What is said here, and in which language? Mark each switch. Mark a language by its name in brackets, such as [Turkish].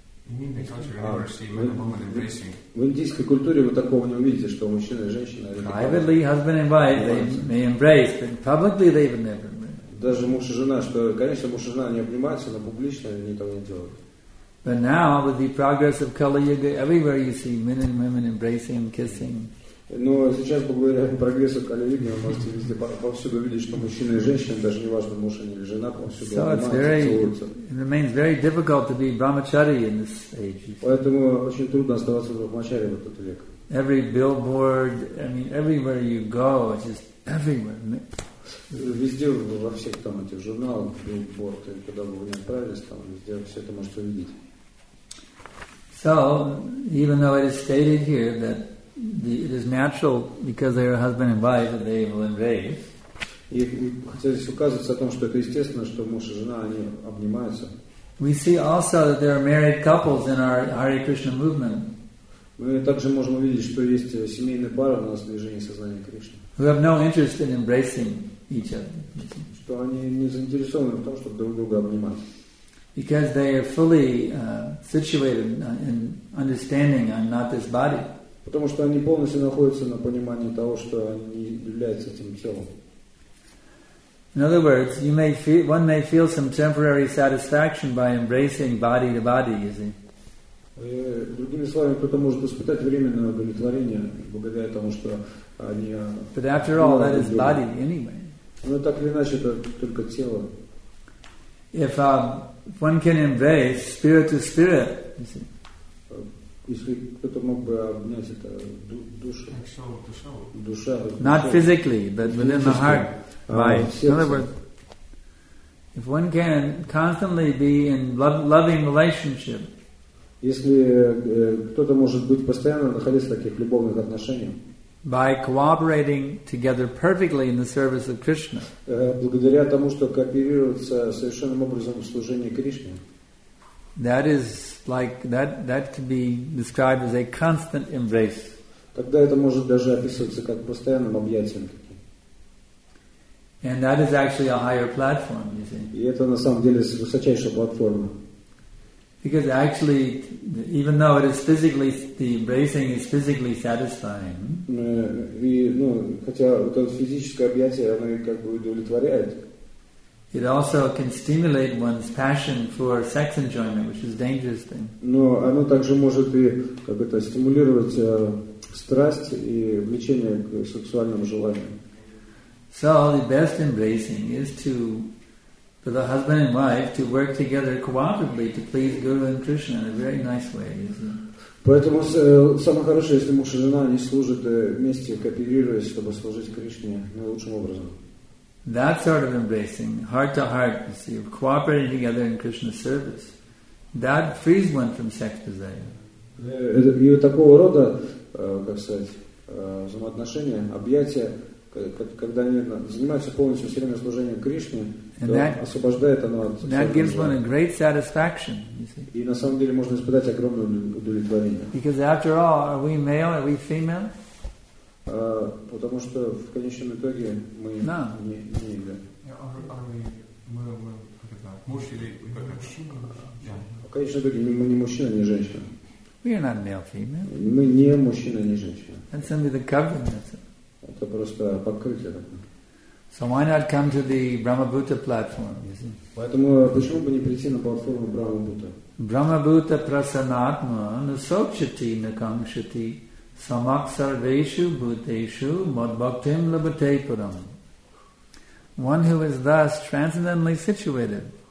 [Russian] В индийской культуре вы такого не увидите, что мужчина и женщина. [English] Privately, husband and wife, they may embrace, but publicly they would never. [Russian] Даже муж и жена, что, конечно, муж и жена не обнимаются, но публично они этого не делают. [English] But now, with the progress of Kali Yuga, everywhere you see men and women embracing, kissing. [Russian] Но сейчас, благодаря прогрессу Кали Юги, вы можете везде повсюду видеть, что мужчина и женщина, даже не важно, муж они или жена, повсюду обнимаются. [English] It remains very difficult to be brahmachari in this age. [Russian] Поэтому очень трудно оставаться брахмачари в этот век. [English] Every billboard, I mean, everywhere you go, it's just everywhere. [Russian] Везде, во всех там этих журналах, билборд, и когда вы не отправились, там везде все это можете увидеть. [English] So, even though it is stated here that it is natural because they are husband and wife that they will embrace. [Russian] Здесь указывается о том, что это естественно, что муж и жена они обнимаются. [English] We see also that there are married couples in our Hare Krishna movement. [Russian] Мы также можем увидеть, что есть семейные пары у нас в движении сознания Кришны. [English] Who have no interest in embracing each other. [Russian] Что они не заинтересованы в том, чтобы друг друга обнимать. [English] Because they are fully situated in understanding I'm not this body. [Russian] Потому что они полностью находятся на понимании того, что они являются этим телом. [English] In other words, you may feel, one may feel some temporary satisfaction by embracing body to body, you see. [Russian] Другими словами, кто-то может испытать временное удовлетворение благодаря тому, что они. [English] But after all, that is body anyway. [Russian] Но так или иначе, это только тело. [English] If one can embrace spirit to spirit, you see. [Russian] Если кто-то мог бы обнять это душу, душа, [English] not physically, but within the heart, right? In other words, if one can constantly be in loving relationship, [Russian] если кто-то может быть постоянно находиться в таких любовных отношениях, [English] by cooperating together perfectly in the service of Krishna, [Russian] благодаря тому, что кооперируется совершенным образом в служении Кришне. [English] That is like that. That can be described as a constant embrace. [Russian] Тогда это может даже описываться как постоянным объятием. [English] And that is actually a higher platform, you see. [Russian] И это на самом деле высочайшая платформа. [English] Because actually, even though it is physically, the embracing is physically satisfying. [Russian] И, ну, хотя это физическое объятие, оно как бы удовлетворяет. [English] It also can stimulate one's passion for sex enjoyment, which is a dangerous thing. [Russian] Но оно также может и как это стимулировать страсть и влечение к сексуальным желаниям. [English] So the best embracing is to for the husband and wife to work together cooperatively to please Guru and Krishna in a very nice way. [Russian] Поэтому самое хорошее, если муж и жена они служат вместе, кооперируясь, чтобы служить Кришне наилучшим образом. [English] That sort of embracing, heart to heart, you see, of cooperating together in Krishna's service, that frees one from sex desire. [Russian] И вот такого рода, как сказать, взаимоотношения, объятия, когда они занимаются полностью все время служением Кришне, освобождает оно от [English] sexual. That gives one a great satisfaction, you see. [Russian] И на самом деле можно испытать огромное удовлетворение. [English] Because after all, are we male, are we female? [Russian] Потому что в конечном итоге мы [English] no. [Russian] не мужчина. В конечном итоге мы не мужчина, не женщина. [English] We are not male, female. [Russian] Мы не мужчина, не женщина. [English] The covering, [Russian] это просто покрытие. [English] So why not come to the Brahmabhuta platform? [Russian] Поэтому почему бы не прийти на платформу Брахмабхута? [Sanskrit] Брахмабхута прасанатма насокшити накамшити. Samak sarveshu bhuteshu madbhaktim labhate param. [English] One who is thus transcendentally situated.